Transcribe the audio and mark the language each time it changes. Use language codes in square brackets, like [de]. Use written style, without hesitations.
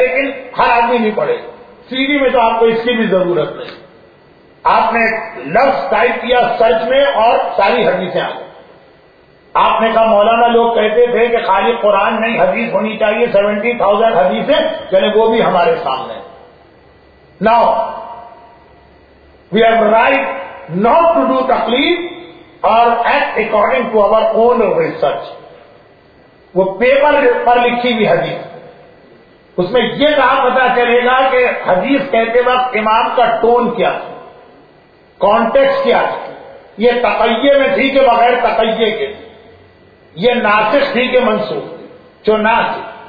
[ur] لیکن ہر آدمی نہیں پڑھے, سی ڈی میں تو آپ کو اس کی بھی ضرورت نہیں. آپ نے لفظ ٹائپ کیا سرچ میں اور ساری حدیثیں آ گئی. آپ نے کہا مولانا لوگ کہتے تھے کہ خالی قرآن نہیں حدیث ہونی چاہیے, 70,000 حدیثیں چلے وہ بھی ہمارے سامنے. [en] Now, we have right not to do تقلید or act according to our own research. [ur] وہ پیپر پر لکھی ہوئی حدیث, اس میں یہ کہاں پتا چلے گا کہ حدیث کہتے وقت امام کا ٹون کیا تھا, کانٹیکسٹ کیا تھا. یہ تقیے میں تھی کہ بغیر تقیے کے, یہ ناسخ تھی کہ منسوخ جو ناسخ.